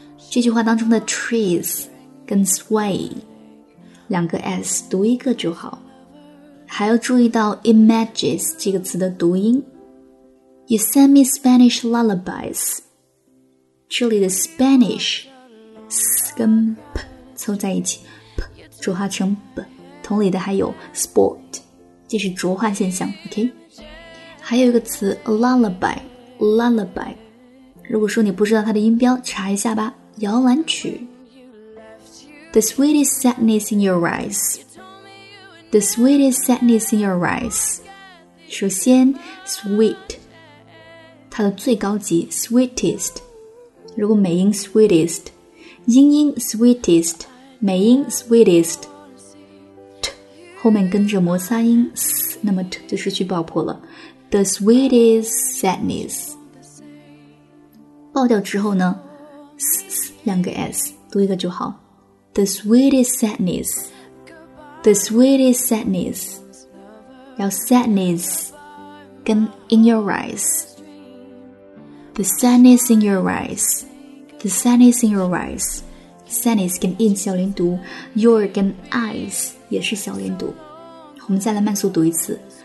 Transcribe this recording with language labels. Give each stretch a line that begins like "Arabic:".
Chinese: 这句话当中的 trees 跟 sway两个 S 读一个就好，还要注意到 images 这个词的读音。
English: You send me Spanish lullabies，
Chinese: 这里的 Spanish S 跟 P 凑在一起， P 浊化成 B， 同理的还有 sport， 这是浊化现象， OK。还有一个词 lullaby， lullaby， 如果说你不知道它的音标，查一下吧，摇篮曲。
English: The sweetest sadness in your eyes. The sweetest sadness in your eyes.
Chinese: 首先 sweet 它的最高级 sweetest， 如果美音 sweetest， 英音 sweetest， 美音 sweetest， t 后面跟着摩擦音 s， 那么 t 就失去爆破了。
English: The sweetest sadness
Chinese: 爆掉之后呢， s 两个 s 读一个就好。
English: The sweetest sadness, the sweetest sadness, 要 sadness 跟 in your eyes, the sadness in your eyes, the sadness in your eyes, sadness 跟 in
Chinese: 小连读，
English: your 跟 eyes
Chinese: 也是小连读，我们再来慢速读一次。